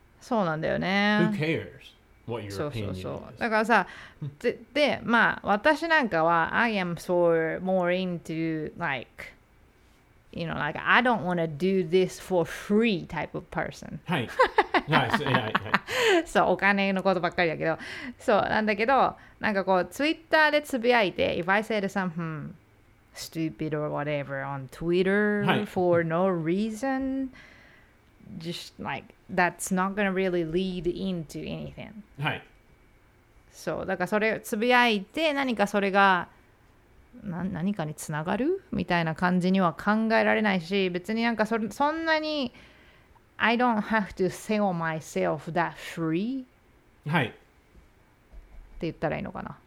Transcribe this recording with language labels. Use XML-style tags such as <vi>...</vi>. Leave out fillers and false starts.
<ja>そうなんだよね。</ja> <en>Who cares what your opinion is?</en> <ja>だからさ、で、まあ私なんかは、</ja> <en>I am so more into like... You know, like, I don't want to do this for free type of person.</en> <ja>はい。はい。そう、お金のことばっかりだけど。そう、なんだけど、なんかこう、Twitter でつぶやいて、</ja> <en>If I said something stupid or whatever on Twitter for no reason, just like, that's not going to really lead into anything.</en> <ja>はい。そう、だからそれつぶやいて、何かそれが、何かにつながるみたいな感じには考えられないし、別になんか そんなに</ja> <en>I don't have to sell myself that free、</en> <ja>はい、って言ったらいいのかな、</ja>